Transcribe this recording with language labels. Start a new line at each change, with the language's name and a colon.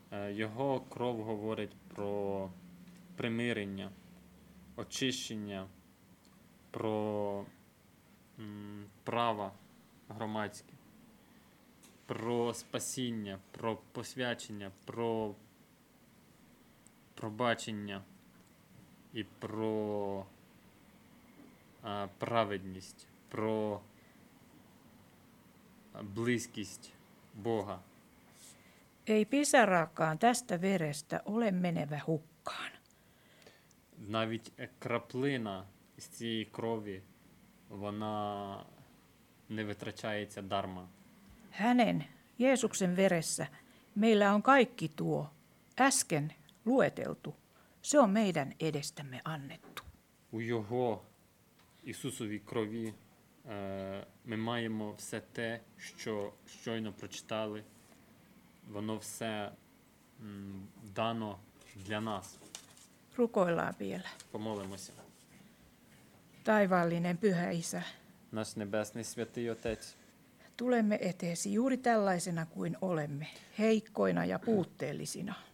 Ukrainian: Його кров говорить про примирення, очищення, про права громадські, про спасіння, про посвячення, про пробачення і про праведність, про близькість Бога.
Finnish: Ei pisaraakaan tästä verestä ole menevä hukkaan.
Ukrainian: Навіть краплина з цієї крові, вона не витрачається дарма.
Finnish: Hänen, Jeesuksen veressä, meillä on kaikki tuo, äsken lueteltu. Se on meidän edestämme annettu.
Ukrainian: У його, Ісусові крові, ми маємо все те, що щойно прочитали. Воно все дано для нас.
Finnish: Rukoillaan vielä.
Ukrainian: Помолимося.
Finnish: Taivaallinen pyhä Isä.
Ukrainian: Наш небесний святий Отець.
Finnish: Tulemme eteesi juuri tällaisena kuin olemme, heikkoina ja puutteellisina.